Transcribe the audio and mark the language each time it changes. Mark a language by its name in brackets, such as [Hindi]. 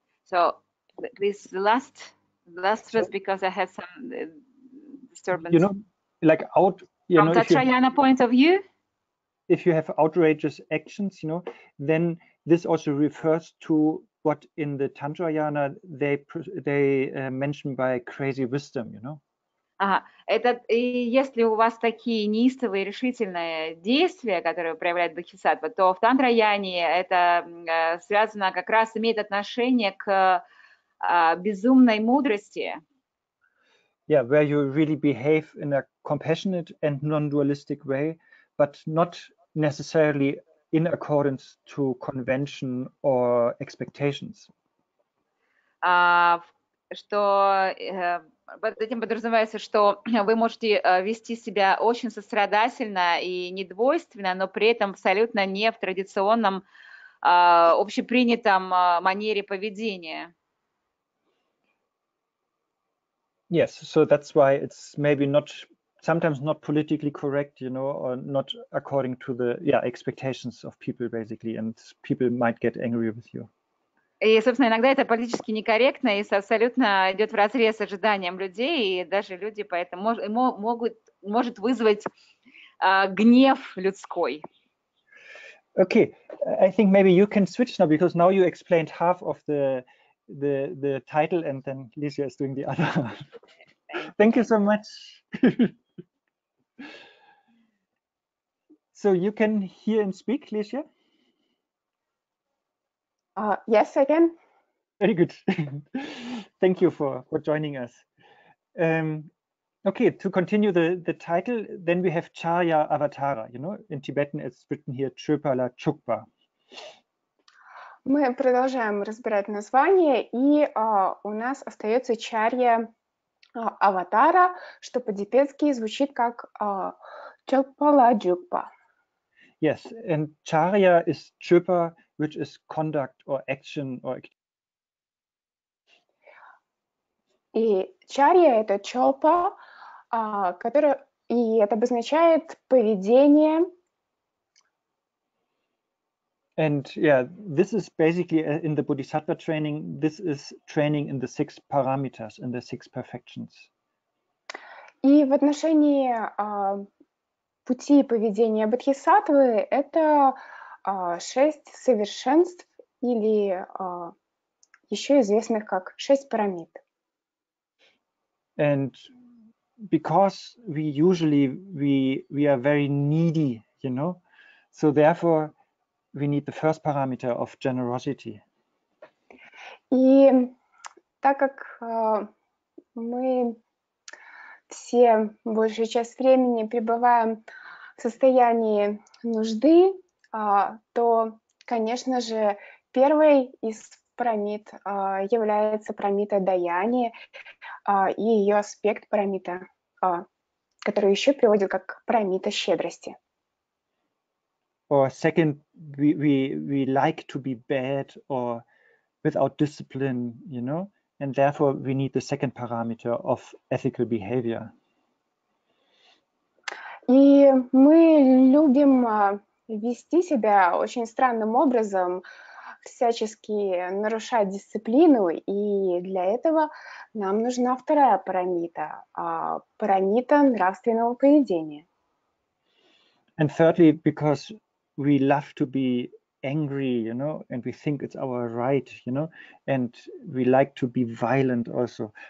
[English] So, this last just because I had some disturbance. You know, like out, you from know, Tantrayana point of view? If you have outrageous actions, you know, then this also refers to what in the Tantrayana they mention by crazy wisdom, you know. [Russian] Ага, это и если у вас такие неистовые решительные действия, которые проявляет бодхисаттва, то в Тантраяне это связано как раз имеет отношение к безумной мудрости. [English] Yeah, where you really behave in a compassionate and non-dualistic way, but not necessarily in accordance to convention or expectations. [Russian] Что Под этим подразумевается, что вы можете вести себя очень сострадательно и недвойственно, но при этом абсолютно не в традиционном общепринятом манере поведения. [English] Yes, so that's why it's maybe not sometimes not politically correct, you know, or not according to the expectations of people, basically, and people might get angry with you. [Russian] И, собственно, иногда это политически некорректно и абсолютно идет вразрез с ожиданием людей, и даже люди поэтому может вызвать гнев людской. [English] Okay, I think maybe you can switch now, because now you explained half of the title, and then Lisa is doing the other. Thank you so much. So you can hear and speak, Lisa? Yes, I can. Very good. Thank you for joining us. Okay, to continue the title, then we have Charya Avatara. You know, in Tibetan, it's written here Chöpala Chukpa. [Russian] Мы продолжаем разбирать название, и у нас остается Чарья Аватара, что по-дипетски звучит как Чокпала Джукпа. [English] Yes, and Чарья is Чупа, which is conduct or action or [Russian] activity. И Чарья — это Чопа, и это обозначает поведение. [English] And yeah, this is basically in the Bodhisattva training, this is training in the six parameters, in the six perfections. [Russian] И в отношении пути поведения Бодхисаттвы, это шесть совершенств, или еще известных как шесть парамид. [English] And because we usually, we are very needy, you know, so therefore, we need the first parameter of generosity. [Russian] И так как мы все большую часть времени пребываем в состоянии нужды, то, конечно же, первой из парамид является парамида даяния и ее аспект парамида, который еще приводит как парамида щедрости. [English] Or second, we like to be bad or without discipline, you know, and therefore we need the second parameter of ethical behavior. [Russian] И мы любим вести себя очень странным образом, всячески нарушать дисциплину, и для этого нам нужна вторая парамита, парамита нравственного поведения. [English] And thirdly, because we love to be angry, you know, and we think it's our right, you know, and we like to be violent also.